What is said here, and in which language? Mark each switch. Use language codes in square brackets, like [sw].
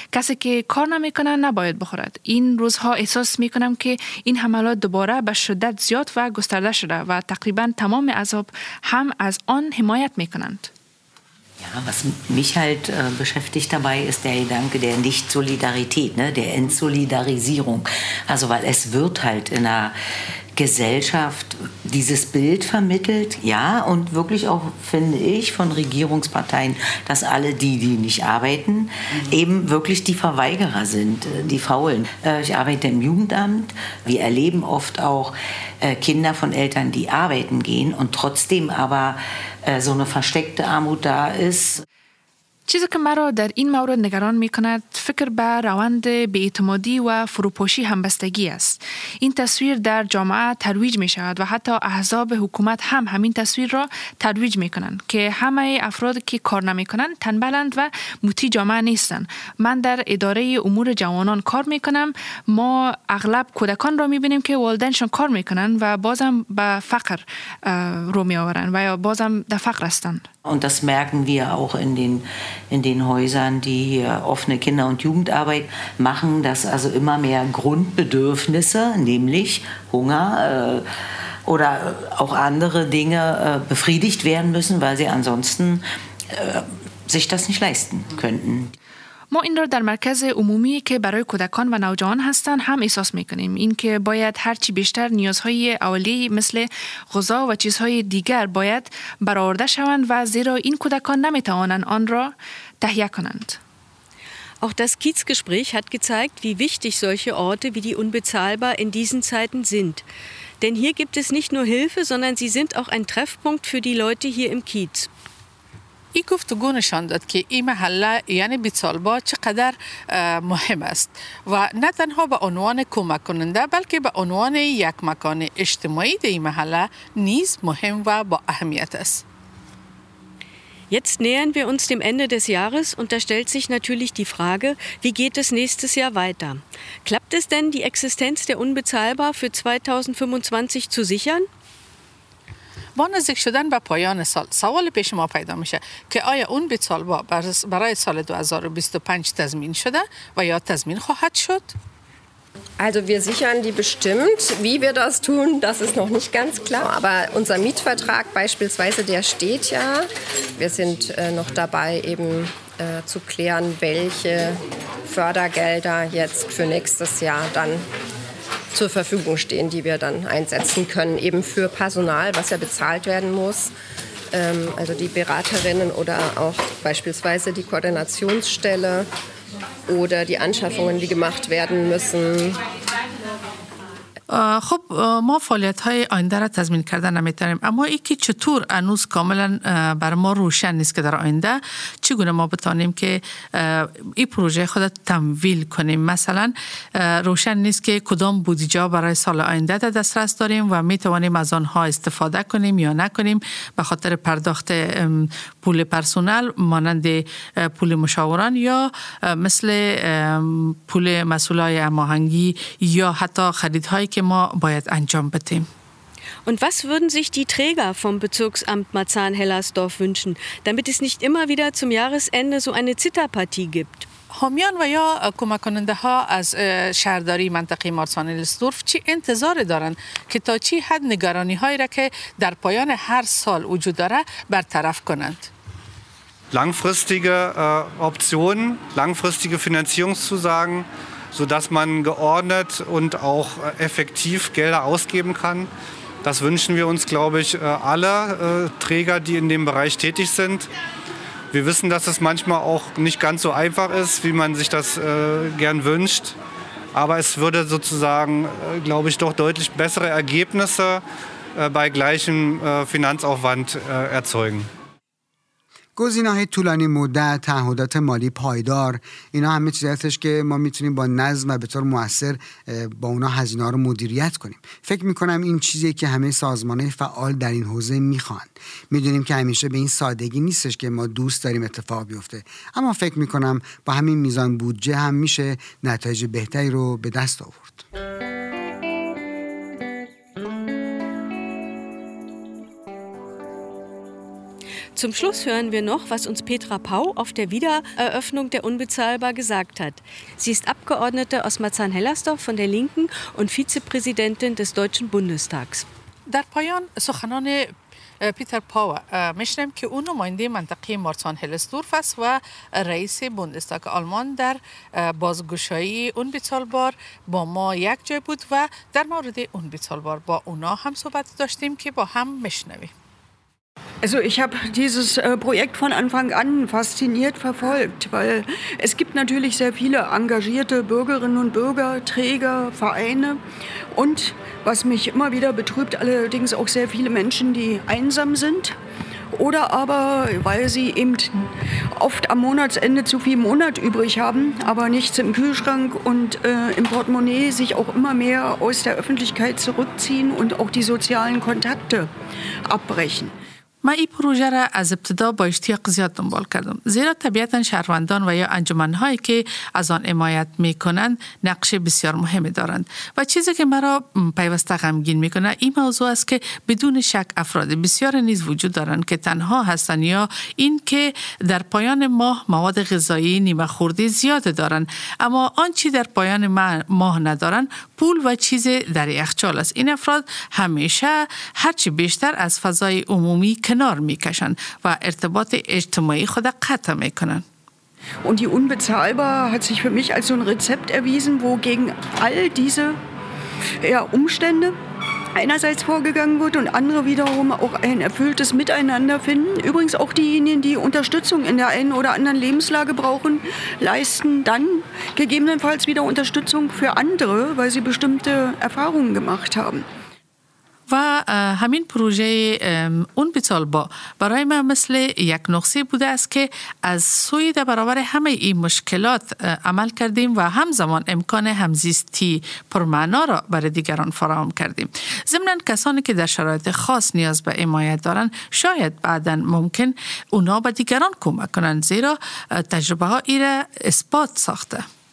[fa] کسی که کار نمیکنه نباید بخورد. این روزها احساس میکنم که این حملات دوباره به شدت زیاد و گسترده شده و تقریبا تمام اعضاب هم از آن حمایت میکنند. [de] Ja, was mich halt beschäftigt dabei, ist der Gedanke der Nicht-Solidarität, ne, der Entsolidarisierung. Also weil es wird halt in einer Gesellschaft dieses Bild vermittelt, ja, und wirklich auch, finde ich, von Regierungsparteien, dass alle die nicht arbeiten, eben wirklich die Verweigerer sind, die Faulen. Ich arbeite im Jugendamt, wir erleben oft auch Kinder von Eltern, die arbeiten gehen und trotzdem aber so eine versteckte Armut da ist. [fa] چیزی که مرا در این مورد نگران میکند فکر به روند بی‌اعتمادی و فروپاشی همبستگی است. این تصویر در جامعه ترویج میشود و حتی احزاب حکومت هم همین تصویر را ترویج میکنند که همه افراد که کار نمیکنند تنبلند و مطیع جامعه نیستند. من در اداره امور جوانان کار میکنم. ما اغلب کودکان را میبینیم که والدینشان کار میکنند و بازم به فقر رو میآورند و یا بازم در فقر هستند. [de] Und das merken wir auch in den Häusern, die hier offene Kinder- und Jugendarbeit machen, dass also immer mehr Grundbedürfnisse, nämlich Hunger oder auch andere Dinge, befriedigt werden müssen, weil sie ansonsten sich das nicht leisten könnten. [fa] ما این را در مرکز عمومی که برای کودکان و نوجوان هستند هم احساس میکنیم. این که باید هرچی بیشتر نیازهای اولی مثل غذا و چیزهای دیگر باید برآورده شوند و زیرا این کودکان نمیتوانند آن را تهیه کنند. [de] Auch das Kiezgespräch hat gezeigt, wie wichtig solche Orte wie die Unbezahlbar in diesen Zeiten sind. Denn hier gibt es nicht nur Hilfe, sondern sie sind auch ein Treffpunkt für die Leute hier im Kiez. [fa] این گفتگو نشان داد که این محله یعنی بیتسالبا چقدر مهم است و نه تنها به عنوان کمک کننده بلکه به عنوان یک مکان اجتماعی در این محله نیز مهم و با اهمیت است. [de] Jetzt nähern wir uns dem Ende des Jahres und da stellt sich natürlich die Frage, wie geht es nächstes Jahr weiter? Klappt es denn, die Existenz der Unbezahlbar für 2025 zu sichern? [fa] با نزدیک شدن به پایان سال سوال پیش ما پیدا میشه که آیا اون بی‌طالبا برای سال 2025 تضمین شده و یا تضمین خواهد شد؟ [de] Also wir sichern die bestimmt. Wie wir das tun, das ist noch nicht ganz klar. Aber unser Mietvertrag beispielsweise, der steht ja. Wir sind noch dabei, eben zu klären, welche Fördergelder jetzt für nächstes Jahr dann zur Verfügung stehen, die wir dann einsetzen können, eben für Personal, was ja bezahlt werden muss, also die Beraterinnen oder auch beispielsweise die Koordinationsstelle oder die Anschaffungen, die gemacht werden müssen. [fa] خب ما فعالیت های آینده را تضمین کرده نمیتونیم اما این که چطور انوز کاملا بر ما روشن نیست که در آینده چگونه ما بتانیم که این پروژه خود تمویل کنیم مثلا روشن نیست که کدام بودجه برای سال آینده در دسترس داریم و میتوانیم از آنها استفاده کنیم یا نکنیم به خاطر پرداخت پول پرسونل مانند پول مشاوران یا مثل پول مسئولای هماهنگی یا حتی خریدهای که ما باید انجام بدیم. [de] Und was würden sich die Träger vom Bezirksamt Marzahn-Hellersdorf wünschen, damit es nicht immer wieder zum Jahresende so eine Zitterpartie gibt? [fa] حامیان و یا کمک کننده ها از شهرداری منطقه مارسان-هلسدورف چی انتظار دارند که تا چی حد نگرانی هایی را که در پایان هر سال وجود داره برطرف کنند؟ [de] Langfristige Optionen, langfristige Finanzierungszusagen, sodass man geordnet und auch effektiv Gelder ausgeben kann. Das wünschen wir uns, glaube ich, alle Träger, die in dem Bereich tätig sind. Wir wissen, dass es manchmal auch nicht ganz so einfach ist, wie man sich das gern wünscht. Aber es würde sozusagen, glaube ich, doch deutlich bessere Ergebnisse bei gleichem Finanzaufwand erzeugen. [fa] گزینه‌های طولانی مدت، تعهدات مالی پایدار، اینا همه چیزی هستش که ما میتونیم با نظم و به طور مؤثر با اونا هزینه رو مدیریت کنیم. فکر میکنم این چیزیه که همه سازمان‌های فعال در این حوزه میخوان. میدونیم که همیشه به این سادگی نیستش که ما دوست داریم اتفاق بیفته. اما فکر میکنم با همین میزان بودجه هم میشه نتایج بهتری رو به دست آورد. [de] Zum Schluss hören wir noch, was uns Petra Pau auf der Wiedereröffnung der Unbezahlbar gesagt hat. Sie ist Abgeordnete aus Marzahn-Hellersdorf von der Linken und Vizepräsidentin des Deutschen Bundestags. [fa] در پایان سخنان پیتر پاو میشنیم که او نماینده منطقه مارسان-هلسدورف است و رئیس بوندستاگ آلمان در بازگشایی اونبیتسالبار با ما یک جای بود و در مورد اونبیتسالبار با اونا هم صحبت داشتیم که با هم میشنویم. [de] Also ich habe dieses Projekt von Anfang an fasziniert verfolgt, weil es gibt natürlich sehr viele engagierte Bürgerinnen und Bürger, Träger, Vereine und, was mich immer wieder betrübt, allerdings auch sehr viele Menschen, die einsam sind oder aber weil sie eben oft am Monatsende zu viel Monat übrig haben, aber nichts im Kühlschrank und im Portemonnaie, sich auch immer mehr aus der Öffentlichkeit zurückziehen und auch die sozialen Kontakte abbrechen. [fa] من این پروژه را از ابتدا با اشتیاق زیاد دنبال کردم. زیرا طبیعتاً شهروندان و یا انجمن‌هایی که از آن حمایت می‌کنند نقش بسیار مهمی دارند. و چیزی که مرا پیوسته غمگین می‌کند این موضوع است که بدون شک افراد بسیار نیز وجود دارند که تنها هستند یا این که در پایان ماه مواد غذایی نیمه خوردی زیاد دارند. اما آنچه در پایان ماه ندارند پول و چیز در یخچال است. این افراد همیشه هرچی بیشتر از فضای عمومی کنار میکشن و ارتباط اجتماعی خود قطع میکنن. [de] Und die Unbezahlbar hat sich für mich als so ein Rezept erwiesen, wo gegen all diese Umstände einerseits vorgegangen wird und andere wiederum auch ein erfülltes Miteinander finden. Übrigens auch diejenigen, die Unterstützung in der einen oder anderen Lebenslage brauchen, leisten dann gegebenenfalls wieder Unterstützung für andere, weil sie bestimmte Erfahrungen gemacht haben. [fa] و همین پروژه اون بیتال با برای من مثل یک نقصه بوده است که از سوی در برابر همه این مشکلات عمل کردیم و همزمان امکان همزیستی پرمعنا را برای دیگران فراهم کردیم. ضمناً کسانی که در شرایط خاص نیاز به حمایت دارند شاید بعداً ممکن اونا به دیگران کمک کنند زیرا تجربه ها ای را اثبات ساخته.